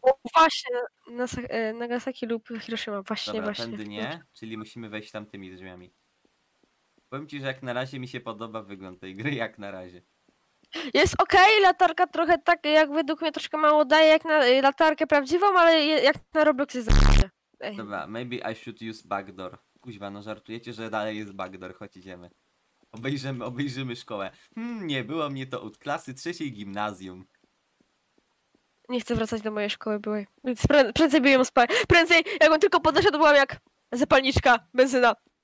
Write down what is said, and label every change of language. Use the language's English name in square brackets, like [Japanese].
[Polish] O, właśnie, Nagasaki lub Hiroshima, właśnie. Dobra, właśnie. Tędy nie, czyli musimy wejść tamtymi drzwiami. Powiem ci, że jak na razie mi się podoba wygląd tej gry, jak na razie. Jest okej, okay, latarka trochę tak, jak według mnie troszkę mało daje, jak na latarkę prawdziwą, ale jak na Roblox jest zawsze. Dobra, [English] maybe I should use backdoor. [Polish] Kuźwa, no żartujecie, że dalej jest backdoor, choć idziemy. Obejrzymy szkołę. Nie było mnie to od klasy trzeciej gimnazjum. Nie chcę wracać do mojej szkoły byłej. Więc prędzej by ją spalił. Prędzej, jakbym tylko podeszła, to byłam jak zapalniczka, benzyna.